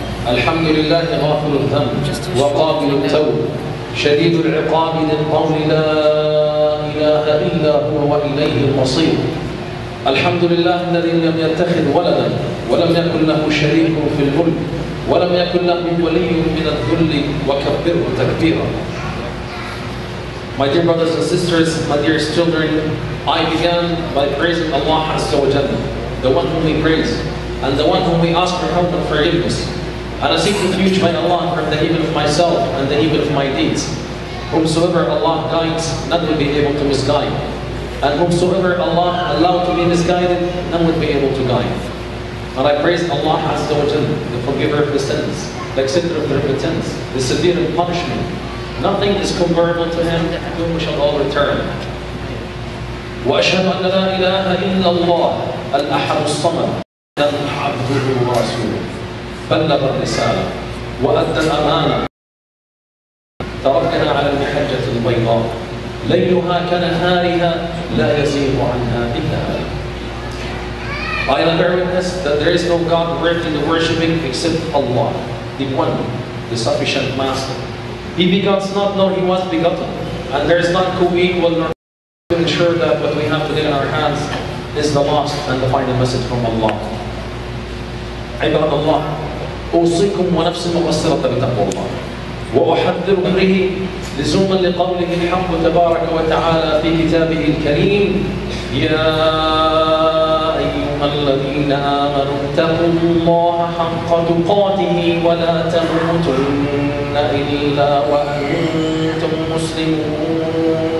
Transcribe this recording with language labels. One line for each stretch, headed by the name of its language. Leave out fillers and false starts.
Arabic: الحمد لله غافر الذنب وقابل التوب شديد العقاب ذي القول لا اله الا هو واليه المصير. الحمد لله الذي لم يتخذ ولدا ولم يكن له شريك في الملك ولم يكن له ولي من الذل وكبره تكبيرا.
English: My dear brothers and sisters, my dearest children, I began by praising Allah Azza wa Jalla, the one whom we praise, and the one whom we ask for help and forgiveness. And I seek refuge by Allah from the evil of myself and the evil of my deeds. Whomsoever Allah guides, none will be able to misguide. And whomsoever Allah allowed to be misguided, none would be able to guide. And I praise Allah Azza wa Jalla, the forgiver of the sins, the acceptor of the repentance, the severe of punishment. Nothing is comparable to Him to whom we shall all return.
Arabic: وَأَشْهَدُ أَنَّ لَا إِلَهَ إِلَّا اللَّهُ الْأَحَدُ الصَّمَدُ لَمْ يَلِدْ وَلَمْ يُولَدْ بَلَّغَ الرِّسَالَةَ وَأَدَّى الْأَمَانَةَ تَرَكَّنَا عَلَى الْمَحَجَّةِ الْبَيْضَاءِ لَيْلُهَا كَنَهَارِهَا لَا يَزِيغُ عَنْهَا إِلَّا هَالِكٌ. I am bear witness that there is no God worthy of worshipping except Allah, the One, the Sufficient Master.
English: He begots not, nor He was begotten, and there is not co-equal nor to ensure that what we have today in our hands is the last and the final message from Allah.
Arabic: عباد الله أوصيكم ونفس مبصرة بتقوى الله وأحذر به لزوما لقوله الحق تبارك وتعالى في كتابه الكريم يا أيها الذين آمنوا اتقوا الله حق تقاته ولا تموتن إلا وأنتم مسلمون.